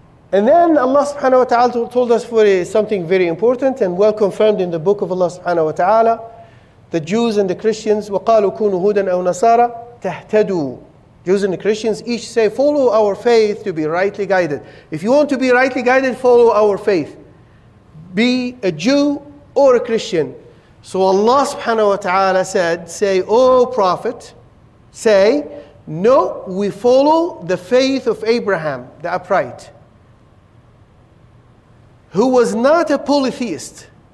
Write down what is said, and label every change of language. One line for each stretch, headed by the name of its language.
English: And then Allah subhanahu wa ta'ala told us something very important and well confirmed in the book of Allah subhanahu wa ta'ala. The Jews and the Christians,
Arabic: وَقَالُوا كُونُوا هُودًا أَوْ نَصَارَى تَهْتَدُوا.
English: Jews and the Christians each say, follow our faith to be rightly guided. If you want to be rightly guided, follow our faith. Be a Jew or a Christian. So Allah subhanahu wa ta'ala said, say, O Prophet, say, no, we follow the faith of Abraham, the upright, who was not a polytheist.